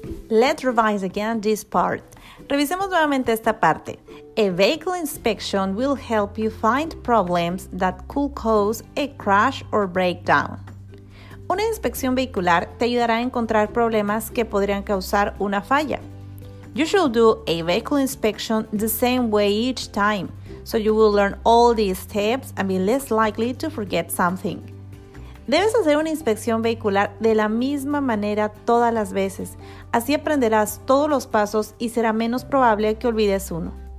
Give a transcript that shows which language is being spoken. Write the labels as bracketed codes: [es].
[en] Let's revise again this part. [es] Revisemos nuevamente esta parte. [en] A vehicle inspection will help you find problems that could cause a crash or breakdown. [es] Una inspección vehicular te ayudará a encontrar problemas que podrían causar una falla. [en] You should do a vehicle inspection the same way each time, so you will learn all these steps and be less likely to forget something. [es] Debes hacer una inspección vehicular de la misma manera todas las veces. Así aprenderás todos los pasos y será menos probable que olvides uno.